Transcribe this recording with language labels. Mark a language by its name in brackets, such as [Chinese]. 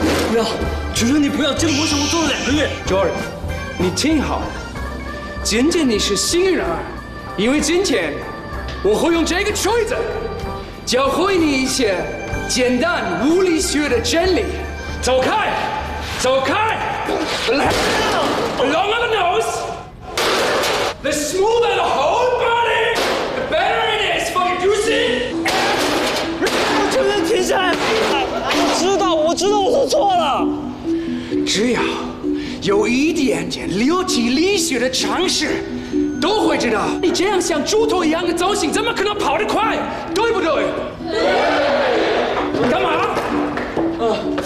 [Chinese] 不要，求求你不要！这个魔术我做了两个月。 Jordan， 你听好了，今天你是新人，因为今天我会用这个锤子教会你一些简单物理学的真理。走开，走开！ [English] Longer the nose, the smoother the whole body, the better it is for producing. [Chinese] 我求求你停下来！我知道，我知道，我都错了。只要有一点点流体力学的常识，都会知道你这样像猪头一样的走行，怎么可能跑得快？对不对？干嘛？啊！